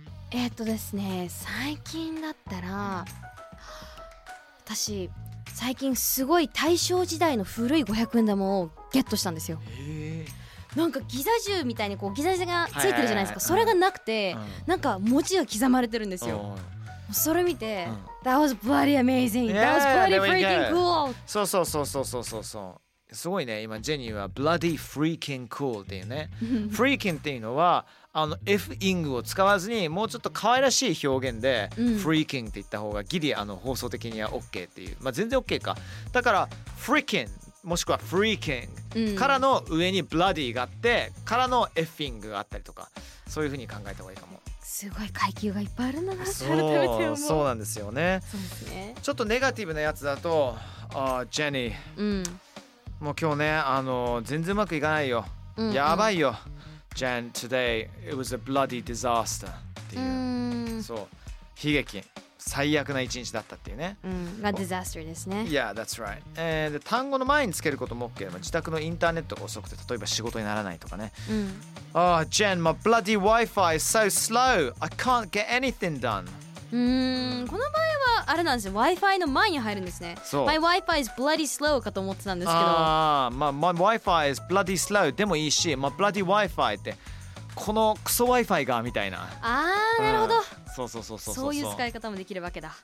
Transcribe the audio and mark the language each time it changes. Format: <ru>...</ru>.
<ja>ですね、最近だったら、私最近すごい大正時代の古い500円玉をゲットしたんですよ。なんかギザ銃みたいにこうギザ銃がついてるじゃないですか、はいはいはい、それがなくて、うん、なんか文字が刻まれてるんですよ。それ見て、うん、</ja> <en>That was bloody amazing yeah, That was bloody freaking cool。</en> <ja>そうそうそうそうそうそうそう、すごいね。今ジェニーは</ja> <en>Bloody Freaking Cool</en> <ja>っていうねFreaking っていうのはあの F-ing を使わずにもうちょっと可愛らしい表現で、うん、Freaking って言った方がギリあの放送的には OK っていう、まあ、全然 OK か。だから Freaking もしくは Freaking からの上に Bloody があって、うん、からの F-ing があったりとか、そういう風に考えた方がいいかも。すごい階級がいっぱいあるんだな。そう、そうなんですよ ね、そうですね。ちょっとネガティブなやつだと、あ、ジェニー、うん、もう今日ね、全然うまくいかないよ、うんうん、やばいよ Jen,</ja> <en>today it was a bloody disaster</en> <ja>っていう、そう、悲劇、最悪な一日だったっていうね、が、うん、disaster ですね。</ja> <en>Yeah, that's right、</en> <ja>で単語の前につけることも OK、 まあ、自宅のインターネットが遅くて例えば仕事にならないとかね、うん、</ja> <en>oh, Jen, my bloody Wi-Fi is so slow I can't get anything done。</en> <ja>この場合はあれなんですよ、 Wi-Fi の前に入るんですね。そう、</ja> <en>My Wi-Fi is bloody slow</en> <ja>かと思ってたんですけど、ああ、まあ、</ja> <en>My Wi-Fi is bloody slow</en> <ja>でもいいし、まあ、bloody Wi-Fi ってこのクソ Wi-Fi がみたいな、あーなるほど、うん、そうそうそうそうそう、そういう使い方もできるわけだ、</ja>